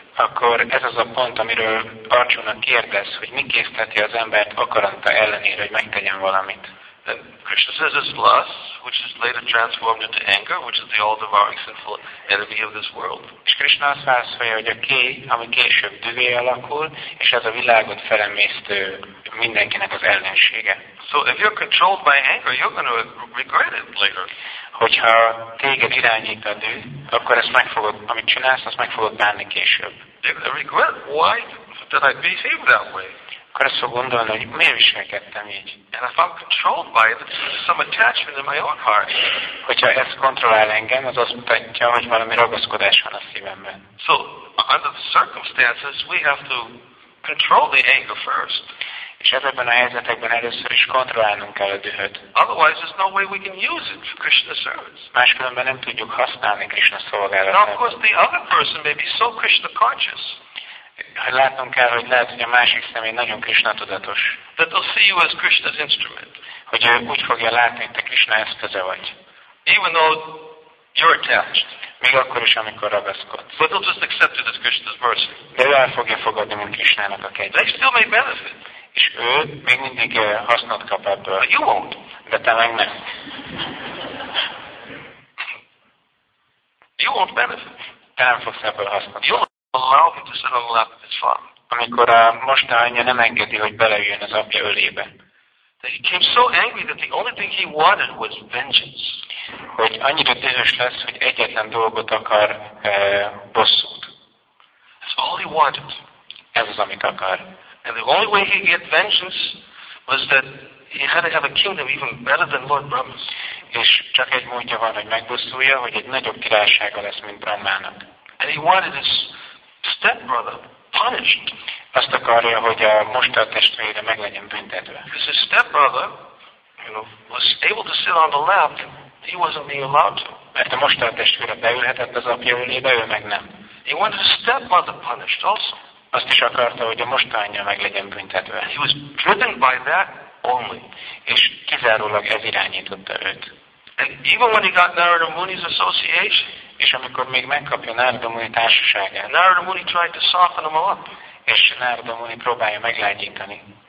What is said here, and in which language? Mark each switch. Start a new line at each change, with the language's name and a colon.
Hungarian: Akkor ez az a pont, amiről Arjuna kérdez, hogy mi készteti az embert akaranta ellenére, hogy megtegyen valamit.
English: And Krishna says it's lust, which is later transformed into anger, which is the all-devouring sinful enemy of this world.
Hungarian: És Krishna azt válaszolja, hogy a kéj, ami később dühé alakul, és ez a világot felemésztő mindenkinek az ellensége.
English: So if you're controlled by anger, you're going to regret it later.
Hungarian: Hogyha téged irányít a düh, akkor ezt megfogod, amit csinálsz, azt megfogod bánni később.
English: I regret, why did I behave that way?
Hungarian: Akkor azt fog gondolni, hogy miért viselkedtem így.
English: And if I'm controlled by it, it's some attachment in my own heart.
Hungarian: Hogyha ez kontrollál engem, az azt mutatja, hogy valami ragaszkodás van a szívemben.
English: So, under the circumstances, we have to control the anger first.
Hungarian: És ebben a helyzetekben először is kontrollálnunk kell a dühöt.
English: Otherwise, there's no way we can use it for Krishna service.
Hungarian: Máskülönben nem tudjuk használni Krishna szolgálatát.
English: And of course, the other person may be so Krishna conscious.
Hungarian: Látnunk kell, hogy lehet, hogy a másik személy nagyon Krishna tudatos.
English: That they'll see you as Krishna's instrument.
Hungarian: Hogy ő úgy fogja látni, hogy te Krishna eszköze vagy.
English: Even though you're attached.
Hungarian: Még akkor is, amikor ragaszkodsz.
English: But they'll just accept it as Krishna's mercy.
Hungarian: De ő el fogja fogadni, mint Krishnának a kegyét.
English: They still may benefit.
Hungarian: És ő még mindig hasznot kap ebből.
English: But you won't.
Hungarian: De te meg nem.
English: You won't benefit.
Hungarian: Te nem fogsz ebből hasznot kapni.
English: Allow him to sit on the lap of his father.
Hungarian: Amikor a mostani anyja nem engedi, hogy beleüljön az apja ölébe.
English: He came so angry that the only thing he wanted was vengeance.
Hungarian: Hogy annyira dühös lesz, hogy egyetlen dolgot akar, bosszút.
English: That's all he wanted.
Hungarian: Ez az, amit akar.
English: And the only way he get vengeance was that he had to have a kingdom even better than Lord Brahma's.
Hungarian: És csak egy módja van, hogy megbosszulja, hogy egy nagyobb királysága lesz, mint Brahmának.
English: And he wanted his stepbrother punished.
Hungarian: Azt akarja, hogy a mosta testvére meg legyen büntetve.
English: Because his stepbrother, you know, was able to sit on the lap, he wasn't being allowed to.
Hungarian: Mert a mosta testvére beülhetett az apja ülébe, ő meg nem.
English: He wanted his stepmother punished also.
Hungarian: Azt is akarta, hogy a mostanya meg legyen büntetve.
English: He was driven by that only.
Hungarian: És kizárólag ez irányította őt.
English: And even when he got Narada Muni's association,
Hungarian: és amikor még megkapja Narada Muni társaságát,
English: Narada Muni tried to soften him up.
Hungarian: És Narada Muni próbálja meglágyítani.